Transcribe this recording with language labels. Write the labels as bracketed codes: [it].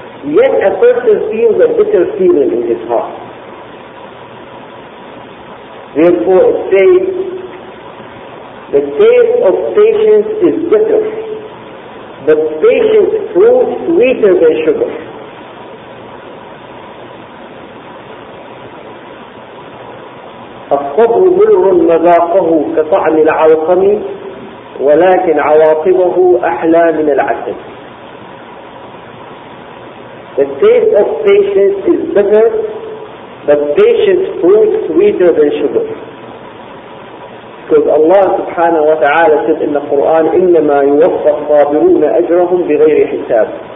[en] Yet a person feels a bitter feeling in his heart. Therefore it says, the taste of patience is bitter, but patience proves sweeter than sugar. [ar] الصبر مر مذاقه كطعم العلقم ولكن عواقبه أحلى من العسل. [en] The taste of patience is bitter, but patience proves sweeter than sugar. Because Allah subhanahu wa ta'ala said in the Quran, [ar] إنما يوفى الصابرون أجرهم بغير حساب.